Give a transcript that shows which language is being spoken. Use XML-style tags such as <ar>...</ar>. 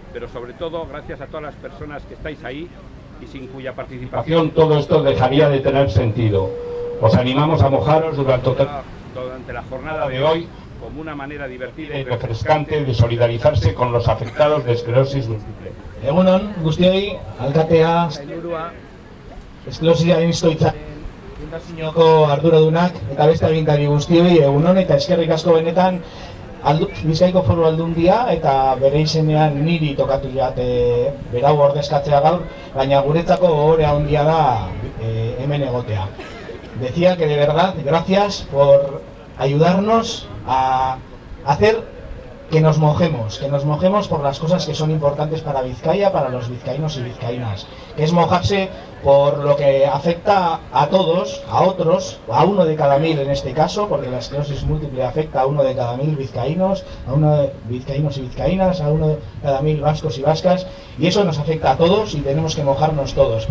<es>Pero sobre todo, gracias a todas las personas que estáis ahí y sin cuya participación todo esto dejaría de tener sentido. Os animamos a mojaros durante la jornada de hoy como una manera divertida y refrescante de solidarizarse con los afectados de esclerosis múltiple.</es> <eu>Egunon, guztiei, alkatea, sailburua, esklerosiaren istoitzaren fundazioko arduradunak, eta beste agintari guztiei, egunon, eta eskerrik asko benetan, Bizkaiko Foru Aldundia, eta bere izenean niri tokatu jat, berau ordezkatzea gaur, baina guretzako ohore handia da hemen egotea.</eu> <es>Decía que de verdad, gracias por ayudarnos a hacer que nos mojemos por las cosas que son importantes para Vizcaya, para los vizcaínos y vizcaínas, que es mojarse por lo que afecta a todos, a otros, a uno de cada mil en este caso, porque la esclerosis múltiple afecta a uno de cada mil vizcaínos, a uno de vizcaínos y vizcaínas, a uno de cada mil vascos y vascas, y eso nos afecta a todos y tenemos que mojarnos todos.</es>